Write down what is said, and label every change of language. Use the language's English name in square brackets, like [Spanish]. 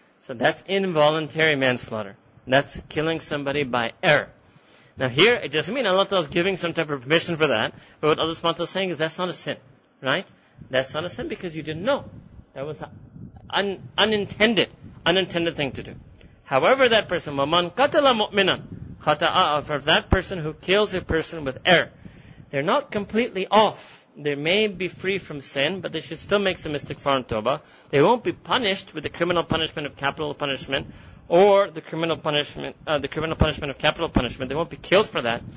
[English] So that's involuntary manslaughter. That's killing somebody by error. Now here, it doesn't mean Allah is giving some type of permission for that, but what Allah is saying is that's not a sin, right? That's not a sin because you didn't know. That was unintended thing to do. However, that person, [Arabic] وَمَنْ قَتَلَ مُؤْمِنًا خَتَأَ. [English] For that person who kills a person with error, they're not completely off. They may be free from sin, but they should still make some istighfar and tawbah. They won't be punished with the criminal punishment of capital punishment, or the criminal punishment of capital punishment. They won't be killed for that.